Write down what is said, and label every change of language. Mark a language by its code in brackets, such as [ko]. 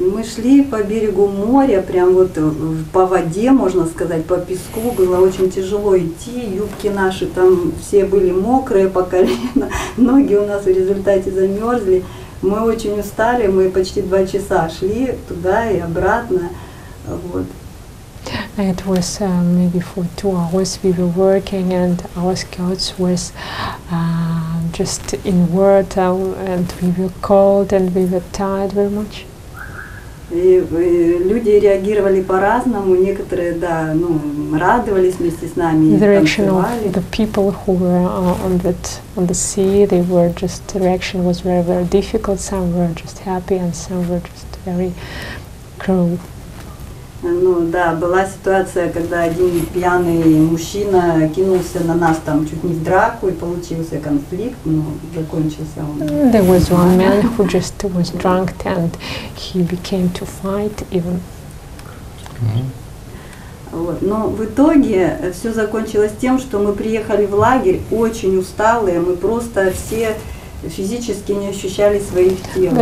[ru] Мы шли по берегу моря, прям вот по воде, можно сказать, по песку. Было очень тяжело идти, юбки наши там все были мокрые по колено, ноги у нас в результате замерзли. Мы очень устали, мы почти 2 часа шли туда и обратно. Вот. [en] It was maybe for 2 hours we were working and our skirts was just in water and we were cold and we were tired very much. [ru] Люди реагировали по-разному, некоторые, да, ну, радовались вместе с нами и танцевали. [en] The people who were on the sea, they were just, the reaction was very, very difficult. Some were just happy and some were just very cruel. [ru] Ну да, была ситуация, когда один пьяный мужчина кинулся на нас там чуть не в драку и получился конфликт, но закончился он. [en] There was one man who just was drunk and he became to fight even. [ru] Вот. Но в итоге все закончилось тем, что мы приехали в лагерь очень усталые, мы просто все физически не ощущали своих тел.